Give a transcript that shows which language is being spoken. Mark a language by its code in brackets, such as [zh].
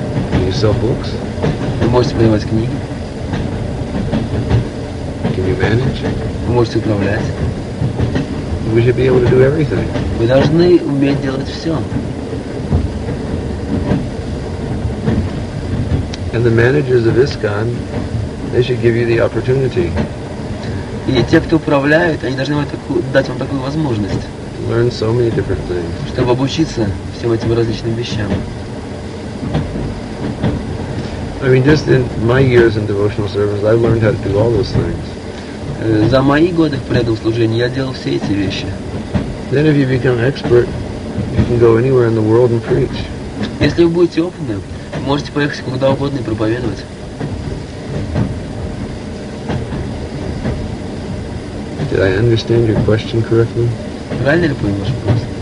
[en] Can you sell books? [ru] Вы можете продавать книги. [en] Can you manage? [ru] Вы можете управлять. [en] We should be able to do everything. [ru] Вы должны уметь делать все. [en] And the managers of ISKCON, they should give you the opportunity. [ru] И те, кто управляют, они должны дать вам такую возможность. [en] To learn so many different things. [ru] Чтобы обучиться всем этим различным вещам. [en] I mean, just in my years in devotional service, I learned how to do all those things. [ru] За мои годы в преданном служении я делал все эти вещи. [en] Then if you become expert, you can go anywhere in the world and preach. [ru] Если вы будете опытным, можете поехать куда угодно и проповедовать. [en] Did I understand your question correctly? [ru] Правильно ли понял ваш вопрос?